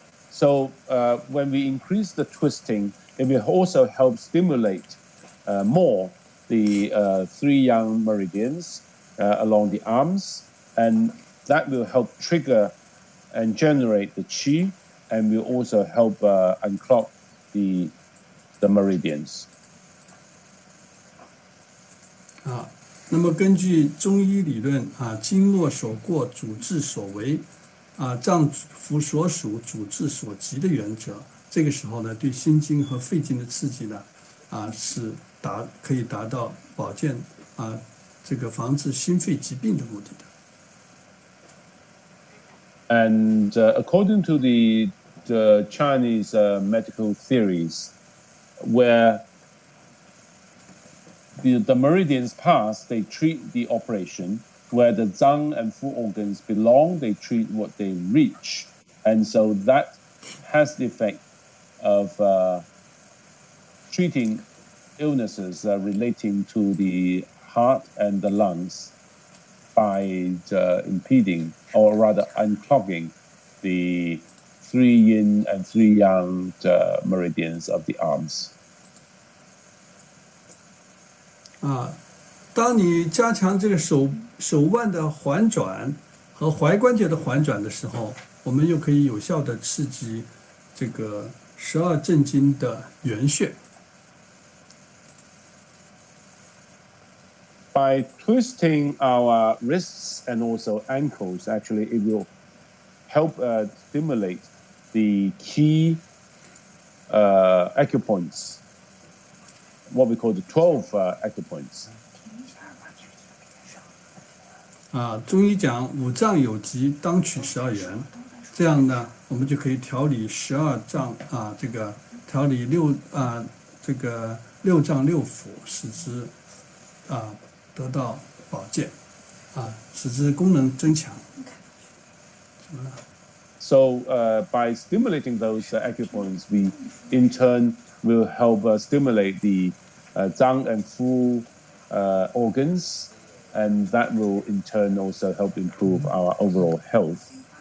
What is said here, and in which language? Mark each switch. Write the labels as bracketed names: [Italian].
[English] So when we increase the twisting, it will also help stimulate more the three yang meridians along the arms, and that will help trigger and generate the qi, and will also help unclog the meridians. [Chinese] 啊，那么根据中医理论啊，经络所过，主治所为。啊，脏腑所属，主治所及的原则，这个时候呢，对心经和肺经的刺激呢，啊，是可以达到保健啊，这个防治心肺疾病的目的的。 [English] And according to the Chinese medical theories, where the meridians pass, they treat the operation. Where the zang and fu organs belong, they treat what they reach. And so that has the effect of treating illnesses relating to the heart and the lungs by impeding, or rather unclogging, the three yin and three yang meridians of the arms. Ah. [Chinese] 当你加强这个手腕的环转和踝关节的环转的时候，我们又可以有效的刺激这个十二正经的原穴。 [English] By twisting our wrists and also ankles, actually, it will help stimulate the key acupoints, what we call the 12 acupoints. [Chinese] 啊，中医讲五脏有疾，当取十二元，这样呢，我们就可以调理十二脏啊，这个调理六啊，这个六脏六腑，使之啊得到保健，啊，使之功能增强。 [English] So, by stimulating those acupoints, we in turn will help stimulate the zhang and fu organs. And that will in turn also help improve our overall health.